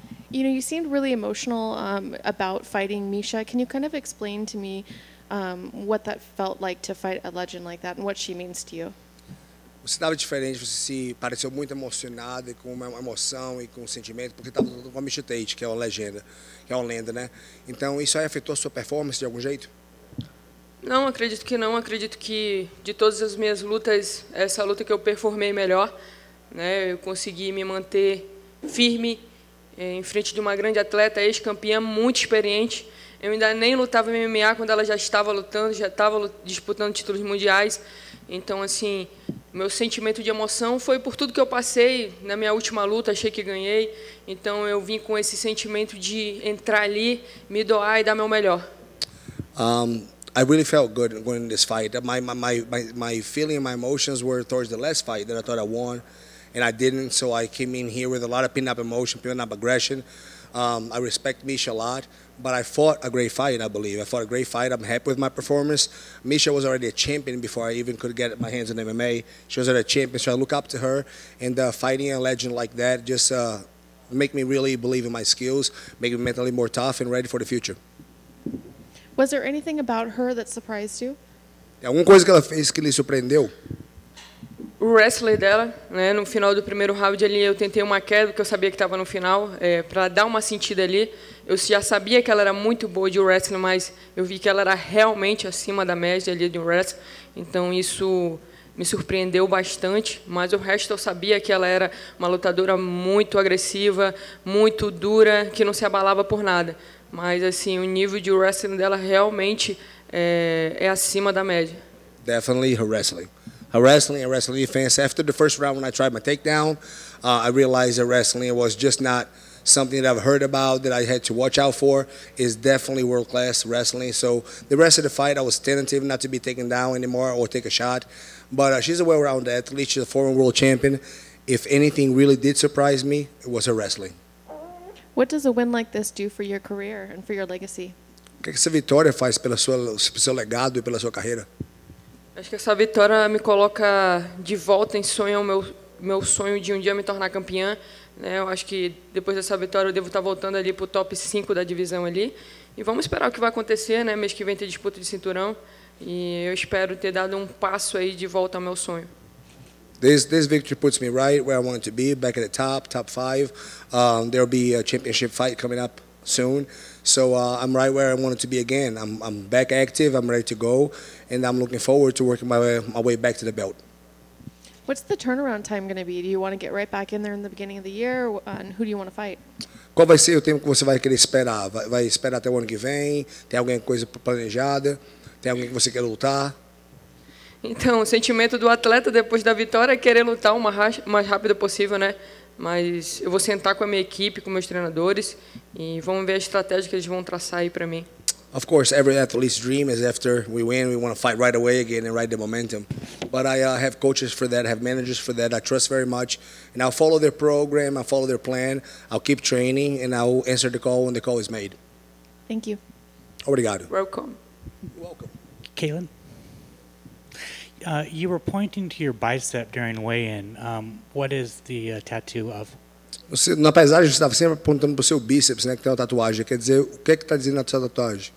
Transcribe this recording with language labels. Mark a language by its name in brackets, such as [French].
[English] You know, you seemed really emotional about fighting Misha. Can you kind of explain to me what that felt like to fight a legend like that and what she means to you? [Portuguese] Você estava diferente, você se pareceu muito emocionado e com uma emoção e com um sentimento, porque estava com a Misha Tate, que é uma legenda, que é uma lenda, né? Então, isso aí afetou a sua performance de algum jeito? Não, acredito que não. Acredito que, de todas as minhas lutas, essa luta que eu performei melhor, né? Eu consegui me manter firme em frente de uma grande atleta, ex-campeã, muito experiente. Eu ainda nem lutava MMA quando ela já estava lutando, já estava disputando títulos mundiais. Então, assim, meu sentimento de emoção foi por tudo que eu passei na minha última luta, achei que ganhei. Então, eu vim com esse sentimento de entrar ali, me doar e dar meu melhor. [English] I really felt good going in this fight. My feeling, my emotions were towards the last fight that I thought I won, and I didn't. So I came in here with a lot of pent up emotion, pent up aggression. I respect Misha a lot, but I fought a great fight. I believe I fought a great fight. I'm happy with my performance. Misha was already a champion before I even could get my hands on MMA. She was already a champion, so I look up to her. And fighting a legend like that just make me really believe in my skills, make me mentally more tough and ready for the future. Was there anything about her that surprised you? [Portuguese] Alguma coisa que ela fez que lhe surpreendeu? O wrestler dela, né, no final do primeiro round ali, eu tentei uma queda, porque eu sabia que estava no final, para dar uma sentida ali. Eu já sabia que ela era muito boa de wrestling, mas eu vi que ela era realmente acima da média ali de wrestling. Então, isso me surpreendeu bastante. Mas o resto, eu sabia que ela era uma lutadora muito agressiva, muito dura, que não se abalava por nada. Mas, assim, o nível de wrestling dela realmente é acima da média. [English] Definitely her wrestling. Her wrestling and wrestling defense. After the first round, when I tried my takedown, I realized that wrestling was just not something that I've heard about, that I had to watch out for. It's definitely world-class wrestling. So the rest of the fight, I was tentative not to be taken down anymore or take a shot. But she's a well-rounded athlete. She's a former world champion. If anything really did surprise me, it was her wrestling. What does a win like this do for your career and for your legacy? [Portuguese] O que essa vitória faz pelo seu legado e pela sua carreira? Acho que essa vitória me coloca de volta em sonho, meu sonho de um dia me tornar campeã. Né? Eu acho que depois dessa vitória eu devo estar voltando ali para o top 5 da divisão ali. E vamos esperar o que vai acontecer, né? Mês que vem tem disputa de cinturão. E eu espero ter dado um passo aí de volta ao meu sonho. [English] This victory puts me right where I want to be, back at the top 5. There'll be a championship fight coming up soon. So I'm right where I wanted to be again. I'm back active. I'm ready to go, and I'm looking forward to working my way back to the belt. What's the turnaround time going to be? Do you want to get right back in there in the beginning of the year, and who do you want to fight? [Portuguese] Qual vai ser o tempo que você vai querer esperar? Vai esperar até o ano que vem? Tem alguma coisa planejada? Tem alguém que você quer lutar? Então, o sentimento do atleta depois da vitória é querer lutar o mais rápido possível, né? Mas eu vou sentar com a minha equipe, com meus treinadores, e vamos ver a estratégia que eles vão traçar aí para mim. [English] Of course, every athlete's dream is after we win, we want to fight right away again and ride the momentum. But I have coaches for that, I have managers for that, I trust very much. And I'll follow their program, I'll follow their plan, I'll keep training, and I'll answer the call when the call is made. Thank you. [Portuguese] Obrigado. [English] Welcome. Welcome. Kaylin? You were pointing to your bicep during weigh-in. What is the tattoo of? [Portuguese] Você, na paisagem, você estava sempre apontando para o seu bíceps, né, que tem uma tatuagem. Quer dizer, o que é que está dizendo na sua tatuagem?